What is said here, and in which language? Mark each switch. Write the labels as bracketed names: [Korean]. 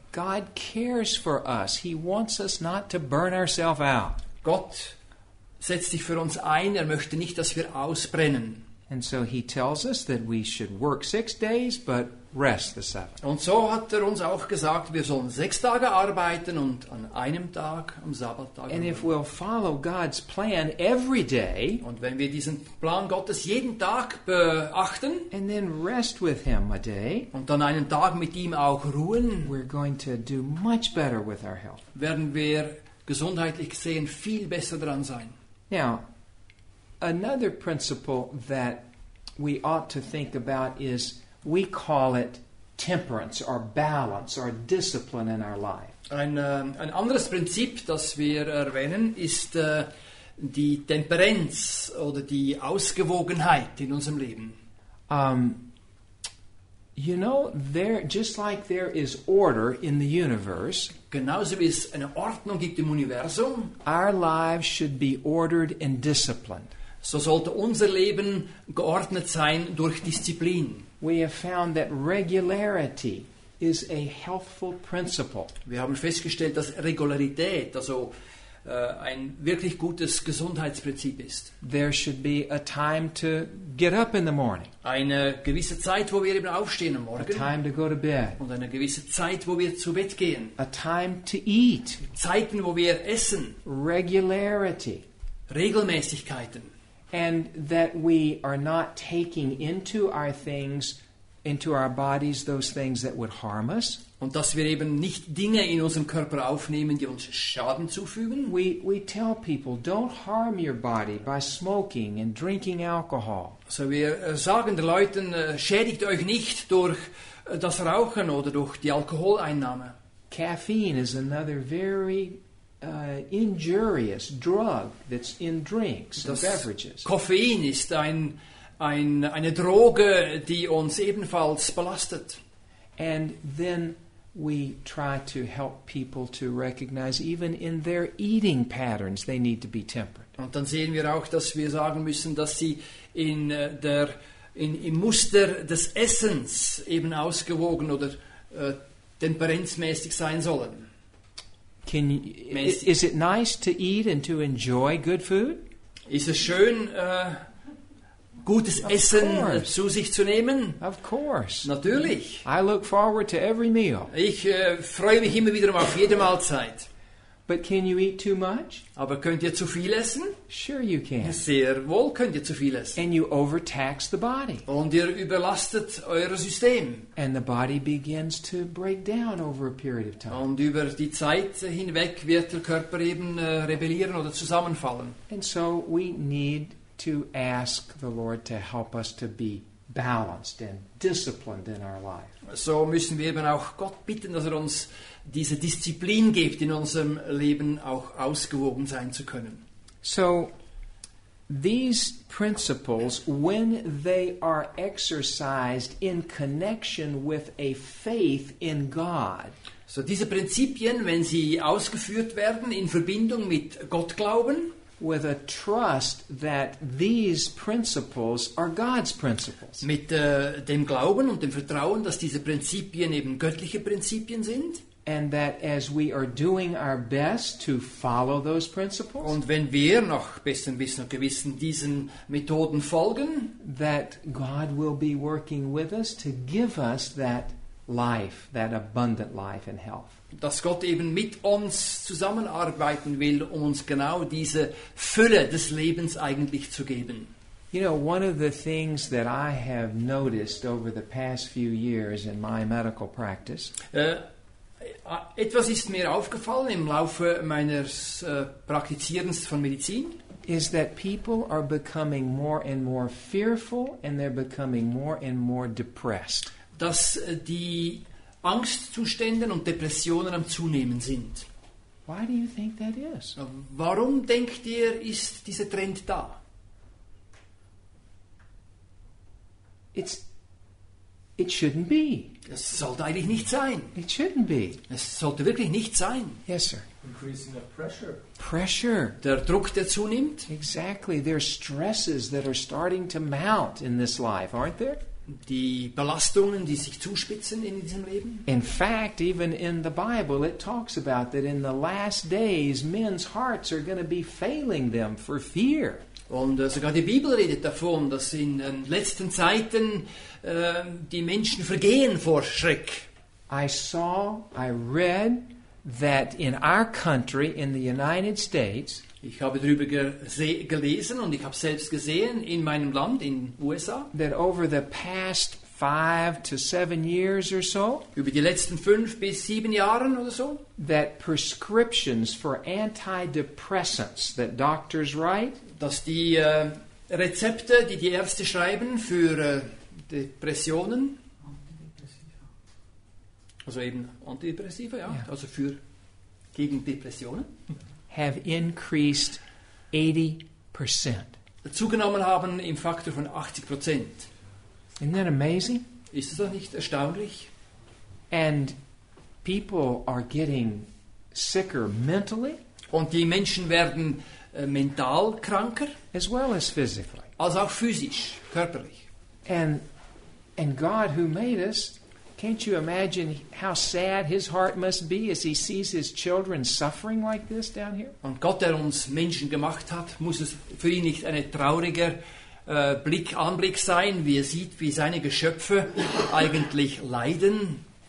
[English] God cares for us. He wants us not to burn ourselves out. [German] Gott setzt sich für uns ein. Er möchte nicht, dass wir ausbrennen. [English] And so he tells us that we should work 6 days, but rest the seventh. [German] Und so hat er uns auch gesagt, wir sollen 6 Tage arbeiten und an einem Tag, am Sabbattag. [English] And if we'll follow God's plan every day, [German] und wenn wir diesen Plan Gottes jeden Tag beachten, [English] and then rest with him a day, [German] und dann einen Tag mit ihm auch ruhen, [English] we're going to do much better with our health. [German] Werden wir gesundheitlich gesehen viel besser dran sein. [English] Now, another principle that we ought to think about is we call it temperance or balance or discipline in our life. [German] Ein anderes Prinzip, das wir erwähnen, ist die Temperanz oder die Ausgewogenheit in unserem Leben. [English] You know, there just like there is order in the universe, [German] genauso wie es eine Ordnung gibt im Universum, [English] our lives should be ordered and disciplined. [German] So sollte unser Leben geordnet sein durch Disziplin. [English] We have found that regularity is a healthful principle. [German] Wir haben festgestellt, dass Regularität, also ein wirklich gutes Gesundheitsprinzip ist. [English] There should be a time to get up in the morning. [German] Eine gewisse Zeit, wo wir eben aufstehen am Morgen. [English] A time to go to bed. [German] Und eine gewisse Zeit, wo wir zu Bett gehen. [English] A time to eat. [German] Zeiten, wo wir essen. [English] Regularity. [German] Regelmäßigkeiten. [English] And that we are not taking into our things into our bodies those things that would harm us. [German] Und dass wir eben nicht Dinge in unserem Körper aufnehmen, die uns Schaden zufügen. [English] We tell people, don't harm your body by smoking and drinking alcohol. [German] So wir sagen den Leuten, schädigt euch nicht durch das Rauchen oder durch die Alkoholeinnahme. [English] Caffeine is another very injurious drug that's in drinks and beverages. [German] Koffein ist eine Droge, die uns ebenfalls belastet. [English] And then we try to help people to recognize even in their eating patterns they need to be temperate. [German] Und dann sehen wir auch, dass wir sagen müssen, dass sie in der im Muster des Essens eben ausgewogen oder temperenzmäßig sein sollen. [English] Is it nice to eat and to enjoy good food? [German] Ist es schön, gutes Essen zu sich zu nehmen? [English] Of course. [German] Natürlich. [English] I look forward to every meal. [German] Ich freue mich immer wieder auf jede Mahlzeit. [English] But can you eat too much? [German] Aber könnt ihr zu viel essen? [English] Sure you can. [German] Sehr wohl könnt ihr zu viel essen. [English] And you overtax the body. [German] Und ihr überlastet euer System. [English] And the body begins to break down over a period of time. [German] Und über die Zeit hinweg wird der Körper eben rebellieren oder zusammenfallen. [English] And so we need to ask the Lord to help us to be balanced and disciplined in our life. [German] So müssen wir eben auch Gott bitten, dass er uns diese Disziplin gibt, in unserem Leben auch ausgewogen sein zu können. [English] So, these principles, when they are exercised in connection with a faith in God. [German] So, diese Prinzipien, wenn sie ausgeführt werden in Verbindung mit Gottglauben. [English] With a trust that these principles are God's principles. [German] Mit dem Glauben und dem Vertrauen, dass diese Prinzipien eben göttliche Prinzipien sind. [English] And that as we are doing our best to follow those principles. [German] Und wenn wir nach bestem Wissen und Gewissen diesen Methoden folgen. [English] That God will be working with us to give us that life, that abundant life and health. [German] Dass Gott eben mit uns zusammenarbeiten will, um uns genau diese Fülle des Lebens eigentlich zu geben. [English] You know, one of the things that I have noticed over the past few years in my medical practice. [German] Etwas ist mir aufgefallen im Laufe meines Praktizierens von Medizin. [English] Is that people are becoming more and more fearful and they're becoming more and more depressed. [German] Dass die Angstzustände und Depressionen am Zunehmen sind. [English] Why do you think that is? [German] Warum denkt ihr, ist dieser Trend da? [English] It shouldn't be. [German] Es sollte eigentlich nicht sein. [English] It shouldn't be. [German] Es sollte wirklich nicht sein. [English] Yes, sir. Increasing the pressure. Pressure. [German] Der Druck, der zunimmt. [English] Exactly. There are stresses that are starting to mount in this life, aren't there? [German] Die Belastungen, die sich zuspitzen in diesem Leben. [English] In fact, even in the Bible, it talks about that in the last days, men's hearts are going to be failing them for fear. [German] Und sogar die Bibel redet davon, dass in den letzten Zeiten die Menschen vergehen vor Schreck. [English] I read that in our country, in the United States. [German] Ich habe darüber gelesen und ich habe selbst gesehen in meinem Land, in USA. [English] That over the past 5 to 7 years or so. [German] Über die letzten 5 bis 7 Jahren oder so. [English] That prescriptions for antidepressants that doctors write. [German] Dass die Rezepte, die die Ärzte schreiben für Depressionen. Also eben Antidepressiva, ja. Yeah. Also für gegen Depressionen. [English] Have increased 80%. [German] Zugenommen haben im Faktor von 80%. [English] Isn't that amazing? [German] Ist das doch nicht erstaunlich? [English] And people are getting sicker mentally. [German] Und die Menschen werden mental kranker. [English] As well as physically. [German] Als auch physisch, körperlich. [English] And God who made us. Can't you imagine how sad his heart must be as he sees his children suffering like this down here? [German] Und Gott, der uns Menschen gemacht hat, muss es für ihn nicht ein trauriger Anblick sein, wie er sieht, wie seine Geschöpfe eigentlich leiden.